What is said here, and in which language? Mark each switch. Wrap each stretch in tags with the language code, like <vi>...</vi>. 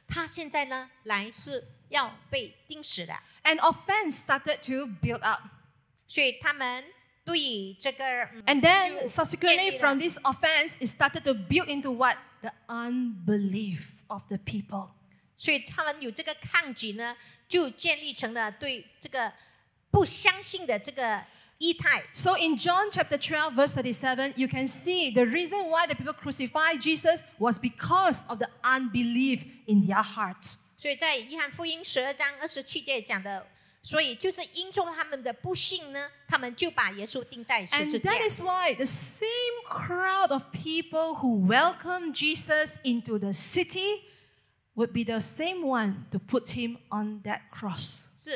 <zh>所以那些群众在那时候呢，他们的感觉呢，就是有一种被出卖，就是说我所期待的是一位王，是一位救世主，但是他现在呢，来是要被钉死的。</zh> <en>And offense started to build up.</en> <zh>所以他们对于这个,</zh> <en>and then subsequently from this offense, it started to build into what? The unbelief of the people.</en> <zh>所以他们有这个抗拒呢, 就建立成了对这个不相信的这个意态。</zh> <en>So in John chapter 12, verse 37, you can see the reason why the people crucified Jesus was because of the unbelief in their hearts.</en> <zh>所以在约翰福音十二章二十七节讲的，所以就是因众他们的不信呢，他们就把耶稣钉在十字架。</zh> <en>And that is why the same crowd of people who welcomed Jesus into the city would be the same one to put him on that cross.</en>